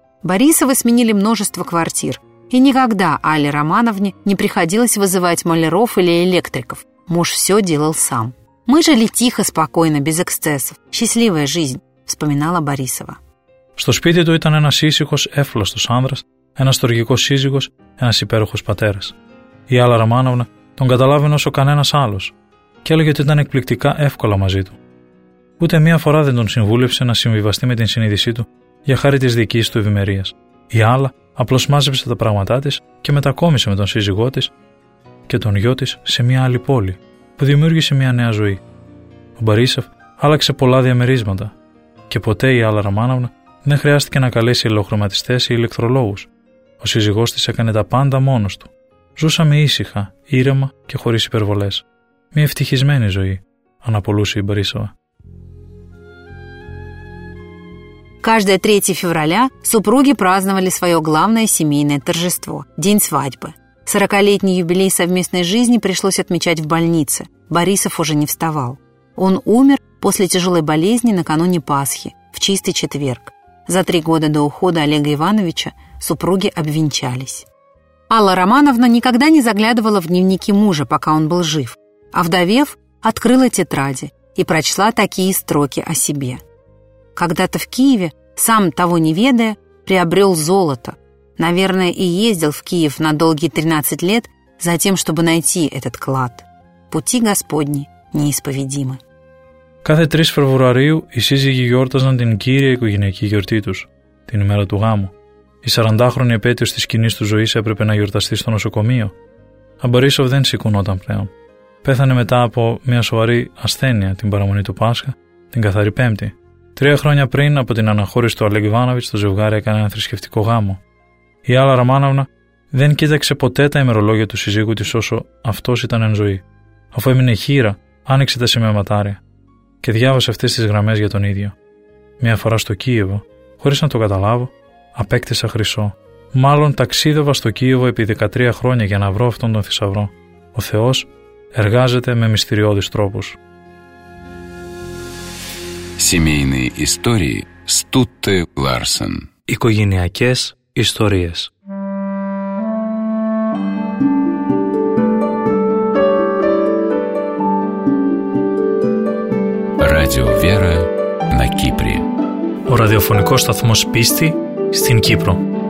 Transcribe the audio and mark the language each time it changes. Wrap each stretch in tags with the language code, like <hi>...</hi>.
<ru>Борисовы сменили множество квартир, и никогда Алле Романовне не приходилось вызывать маляров или электриков. Муж все делал сам. «Мы жили тихо, спокойно, без эксцессов. Счастливая жизнь», – вспоминала Борисова. Что спите то это не</ru> <el>насисихос эфлостус андрос, ένας στοργικός σύζυγος, ένας υπέροχος πατέρας. Η Άλλα Ραμάνοβνα τον καταλάβαινε όσο κανένας άλλος και έλεγε ότι ήταν εκπληκτικά εύκολα μαζί του. Ούτε μία φορά δεν τον συμβούλευσε να συμβιβαστεί με την συνείδησή του για χάρη της δικής του ευημερίας. Η Άλλα απλώς μάζεψε τα πράγματά της και μετακόμισε με τον σύζυγό της και τον γιο της σε μία άλλη πόλη που δημιούργησε μία νέα ζωή. Ο Μπαρίσοφ άλλαξε πολλά διαμερίσματα και ποτέ η Άλλα Ραμάνοβνα δεν χρειάστηκε να καλέσει ηλεκτροχρωματιστές ή ηλεκτρολόγους. Ο σύζυγός της έκανε τα πάντα μόνος του. Ζούσαμε ήσυχα, ήρεμα και χωρίς υπερβολές. Μια ευτυχισμένη ζωή, αναπολούσε η Μπαρίσοβα.</el> <ru>Каждое 3 февраля супруги праздновали свое главное семейное торжество – день свадьбы. 40-летний юбилей совместной жизни пришлось отмечать в больнице. Борисов уже не вставал. Он умер после тяжелой болезни накануне Пасхи, в чистый четверг. За 3 года до ухода Олега Ивановича супруги обвенчались. Алла Романовна никогда не заглядывала в дневники мужа, пока он был жив, а вдовев открыла тетради и прочла такие строки о себе. «Когда-то в Киеве, сам того не ведая, приобрел золото. Наверное, и ездил в Киев на долгие 13 лет за тем, чтобы найти этот клад. Пути Господни неисповедимы».</ru> <el>Кάθε 3 Φεβρουαρίου οι σύζυγοι γιόρταζαν την κύρια οικογενειακή γιορτή τους, την ημέρα του γάμου. Η 40χρονη επέτειος της κοινής του ζωής έπρεπε να γιορταστεί στο νοσοκομείο. Ο Μπορίσοφ δεν σηκωνόταν πλέον. Πέθανε μετά από μια σοβαρή ασθένεια την παραμονή του Πάσχα, την καθαρή Πέμπτη. 3 χρόνια πριν από την αναχώρηση του Αλέγκ Ιβάνοβιτς, το ζευγάρι έκανε ένα θρησκευτικό γάμο. Η Άλλα Ραμάνοβνα δεν κοίταξε ποτέ τα ημερολόγια του σύζυγου της όσο αυτός ήταν εν ζωή. Αφού έμεινε χείρα, άνοιξε τα σημειωματάρια και διάβασε αυτές τις γραμμές για τον ίδιο. Μια φορά στο Κίεβο, χωρίς να το καταλάβω, απέκτησα χρυσό. Μάλλον ταξίδευα στο Κίεβο επί 13 χρόνια για να βρω αυτόν τον θησαυρό. Ο Θεός εργάζεται με μυστηριώδεις τρόπους.</el> <ru>Семейные истории Стутте Ларсен.</ru> <el>Οικογενειακές ιστορίες.</el> <ru>Радио Вера на Кипре.</ru> <el>Ο ραδιοφωνικός σταθμός πίστη στην Κύπρο.</el>